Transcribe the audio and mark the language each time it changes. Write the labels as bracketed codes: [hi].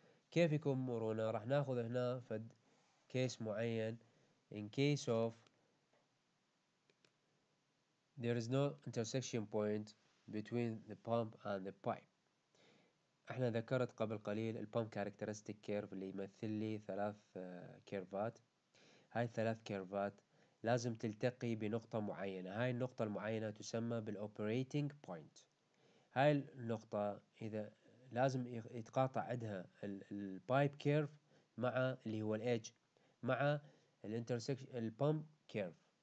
[ar] كيف يكون مرونه؟ راح ناخذ هنا فد كيس معين. [en] In case of There is no intersection point between the pump and the pipe. [ar] احنا ذكرت قبل قليل البامب كاركترستيك كيرف اللي يمثل لي ثلاث كيرفات. هاي الثلاث كيرفات لازم تلتقي بنقطة معينة. هاي النقطة المعينة تسمى بالoperating point. هاي النقطة إذا لازم يتقاطع عندها البايب كيرف مع اللي هو الايدج مع الانترسكشن البامب كيرف.